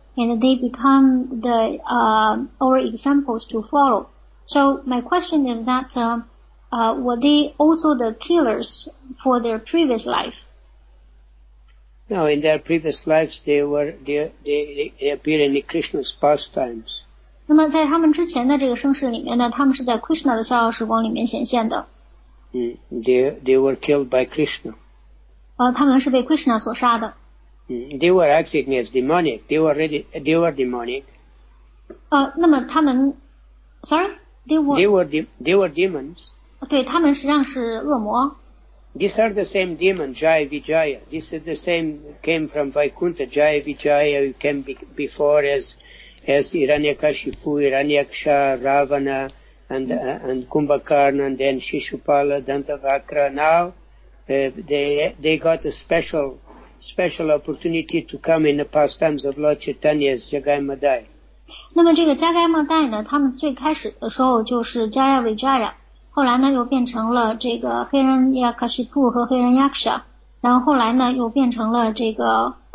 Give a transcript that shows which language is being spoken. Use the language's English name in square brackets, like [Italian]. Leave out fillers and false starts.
[English] And they become the our examples to follow. So my question is that, were they also the killers for their previous life? No, in their previous lives, they appear in the Krishna's pastimes. [Chinese] 那么在他们之前的这个生世里面呢，他们是在 Krishna 的逍遥时光里面显现的。 [English] They were killed by Krishna. [Chinese] 他们是被 Krishna 所杀的。 [English] They were acting as demonic. They were demonic. [Chinese] 那么他们 ， [English] sorry, they were demons. [Chinese] 对，他们实际上是恶魔。 [English] These are the same demon, Jaya Vijaya. This is the same came from Vaikuntha, Jaya Vijaya, who came before as Hiranyakashipu, Hiranyaksha, Ravana, and Kumbhakarna, and then Shishupala, Dantavakra. Now, they got a special opportunity to come in the pastimes of Lord Chaitanya as Jagai Madai. [Chinese] 那么这个 Jagai Madai 呢，他们最开始的时候就是 Jaya Vijaya。后来呢，又变成了这个黑人亚卡西普和黑人亚克沙，然后后来呢，又变成了这个